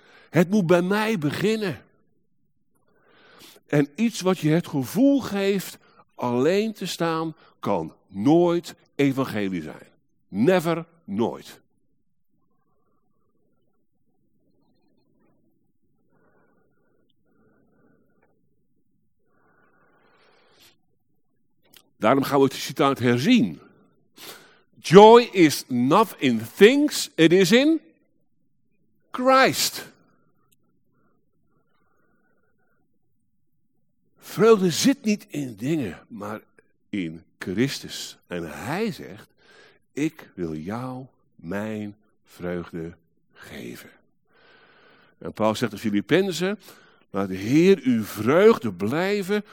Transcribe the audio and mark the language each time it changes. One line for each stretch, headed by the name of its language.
Dutch: Het moet bij mij beginnen. En iets wat je het gevoel geeft alleen te staan, kan nooit evangelie zijn. Never, nooit. Daarom gaan we het citaat herzien.
English: Joy is not in things, it is in Christ.
Dutch: Vreugde zit niet in dingen, maar in Christus. En hij zegt, ik wil jou mijn vreugde geven. En Paulus zegt in Filippenzen, laat de Heer uw vreugde blijven.